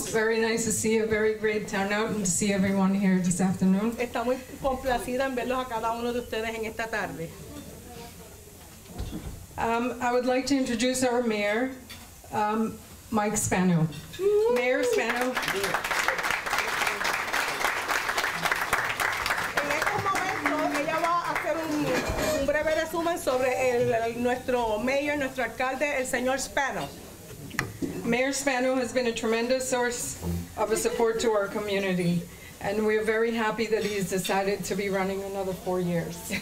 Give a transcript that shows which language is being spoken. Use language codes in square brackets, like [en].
[en] It's very nice to see a very great turnout and to see everyone here this afternoon. [es] Estamos complacidas en verlos a cada uno de ustedes en esta tarde. [en] I would like to introduce our mayor, Mike Spano. Mayor Spano. [es] En este momento, ella va a hacer un breve resumen sobre nuestro mayor, nuestro alcalde, el señor Spano. [en] Mayor Spano has been a tremendous source of a support to our community, and we are very happy that he has decided to be running another 4 years.